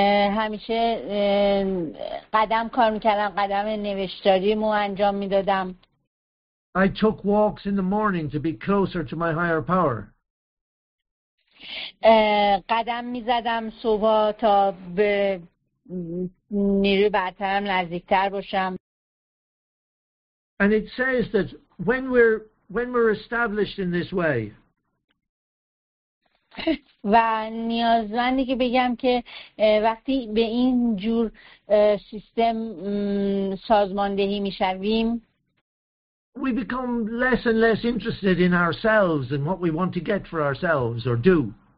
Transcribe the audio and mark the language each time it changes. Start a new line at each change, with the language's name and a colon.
Persian: همیشه قدم کار میکردم، قدم نوشتاریمو انجام میدادم.
English: I took walks in the morning to be closer to my higher power.
Persian: قدم میزدم صبح تا به نیروی برترم نزدیکتر باشم.
English: And it says that when we're established in this way.
Persian: و نیازمندی که بگم که وقتی به این جور سیستم سازماندهی میشویم،
English: we become less and less interested in ourselves and what we want to get for ourselves or do.